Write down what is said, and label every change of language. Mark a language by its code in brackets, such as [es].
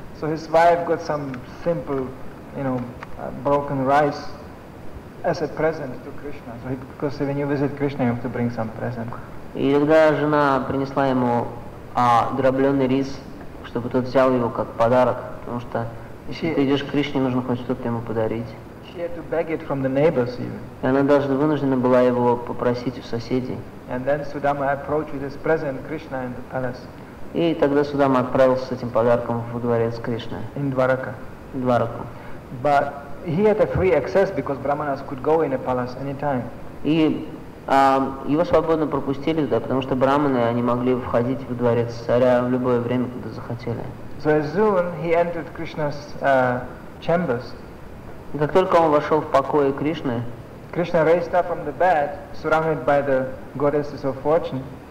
[en] So his wife got some simple, you know, broken rice as a present to Krishna. So because when you visit Krishna, you have to bring some present. [ru] И тогда жена принесла ему дробленый рис, чтобы тот взял его как подарок, потому что если ты идешь к Кришне, нужно хоть что-то ему подарить. [en] She had to beg it from the neighbors even. [ru] И она даже вынуждена была его попросить у соседей. [en] And then Sudama approached with his present Krishna in the palace. [ru] И тогда Судама отправился с этим подарком в дворец Кришны. [en] In Dvaraka. [ru] Dvaraka. [en] But he had a free access because Brahmanas could go in a palace anytime. [ru] И его свободно пропустили туда, потому что брахманы они могли входить в дворец царя в любое время, когда захотели. [en] So as soon he entered Krishna's chambers. [ru] И как только он вошел в покои Кришны. [en] Krishna raised up from the bed, surrounded by the goddesses of fortune.